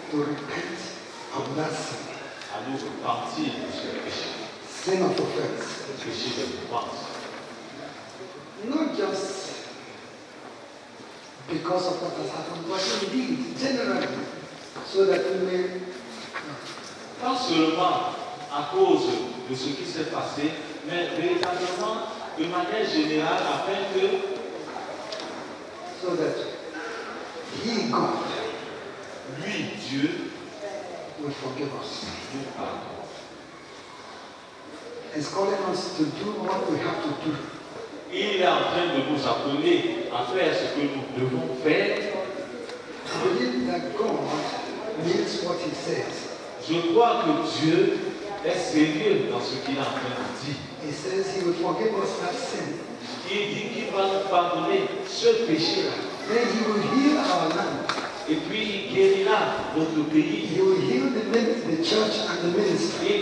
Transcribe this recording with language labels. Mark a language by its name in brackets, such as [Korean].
[English] To repent of that sin. [French] À nous repentir de ce péché. [English] Sin of offense. [French] Le péché de l'offense. [English] Not just because of what has happened, but indeed, generally, so that we may. [French] Pas seulement à cause de ce qui s'est passé, mais véritablement de manière générale, afin que. [English] So that He, God, [French] lui, Dieu, [English] will forgive us. [French] Nous pardonne. [English] He's calling us to do what we have to do. [French] Il est en train de nous appeler à faire ce que nous devons faire. [English] Believe that God means what He says. [French] Je crois que Dieu est sérieux dans ce qu'il est en train de dire. [English] He says He will forgive us that sin. [French] Il dit qu'il va nous pardonner ce péché-là. [English] Then He will heal our land. [French] Et puis il guérira notre pays. [English] He will heal the church and the ministry.